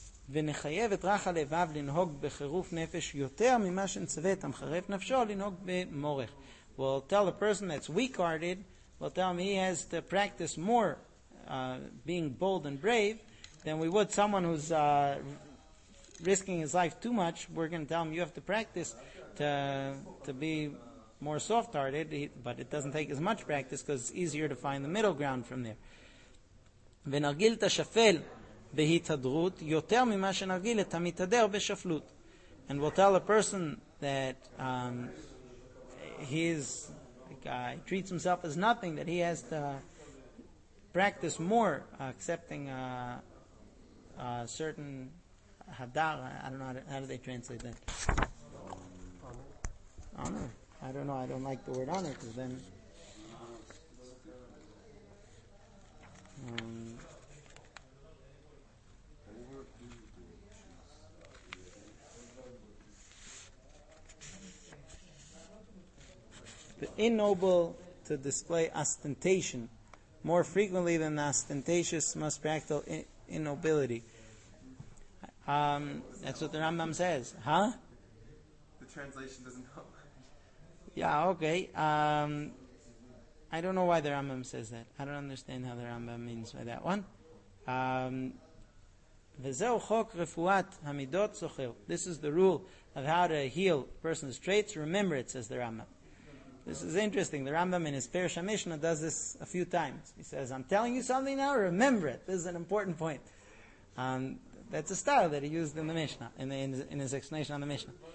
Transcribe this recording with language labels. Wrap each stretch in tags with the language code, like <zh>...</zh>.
<he>ונחייב את רך הלבב לנהוג בחירוף נפש יותר ממה שנצווה את המחרף נפשו לנהוג במורך.</he> <en>We'll tell the person that's weak-hearted, we'll tell him he has to practice more being bold and brave than we would someone who's risking his life too much. We're going to tell him you have to practice to be more soft-hearted, but it doesn't take as much practice because it's easier to find the middle ground from there.</en> <he>ונרגיל את השפל בהתהדרות יותר ממה שנרגיל את המתהדר בשפלות.</he> <en>And we'll tell a person that he treats himself as nothing, that he has to practice more accepting a certain hadar. I don't know, how do they translate that? Honor. I don't know, I don't like the word honor, because then... the ignoble to display ostentation more frequently than the ostentatious must practice innobility. That's what the Rambam says. Huh? The translation doesn't help. Yeah, okay. I don't know why the Rambam says that. I don't understand how the Rambam means by that one.</en> <he>וזהו חוק רפואת המידות זוכר.</he> <en>This is the rule of how to heal a person's traits. Remember it, says the Rambam. This is interesting. The Rambam in his Perusha Mishnah does this a few times. He says, I'm telling you something now, remember it. This is an important point. That's a style that he used in the Mishnah, in his explanation on the Mishnah.</en>